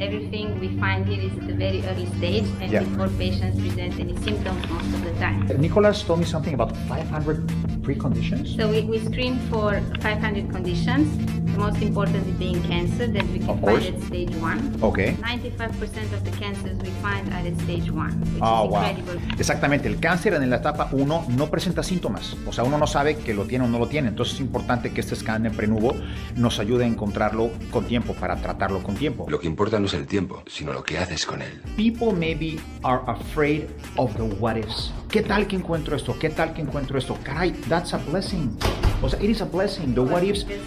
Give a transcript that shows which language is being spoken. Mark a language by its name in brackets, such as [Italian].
[English] Everything we find here is at a very early stage and before patients present any symptoms most of the time. Nicholas told me something about 500 preconditions. So we screen for 500 conditions. The most important is being cancer that we can find at stage one. Okay. 95% of the cancers we find are at stage one, which is incredible. [Spanish] Exactamente. El cáncer en la etapa 1 no presenta síntomas. O sea, uno no sabe que lo tiene o no lo tiene. Entonces es importante que este scan en Prenuvo nos ayude a encontrarlo con tiempo, para tratarlo con tiempo. Lo que importa no es el tiempo, sino lo que haces con él. [English] People maybe are afraid of the what ifs. [Spanish] ¿Qué tal que encuentro esto? ¿Qué tal que encuentro esto? Caray, [English] that's a blessing. [Spanish] O sea, [English] it is a blessing, the what ifs.